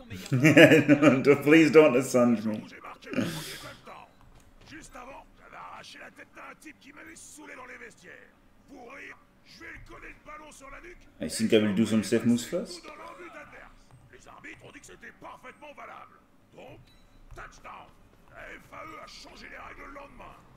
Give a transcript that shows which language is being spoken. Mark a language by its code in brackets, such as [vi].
[en] No, please don't assange me. [fr] J'ai marqué mon premier point de temps. Juste avant, j'avais arraché la tête d'un type qui m'avait saoulé dans les vestiaires. Pour rire, je vais le coller le ballon sur la nuque. [en] I think I will do some safe moves first. [fr] Les arbitres ont dit que c'était parfaitement valable. Donc, touchdown. La FAE a changé les règles le lendemain.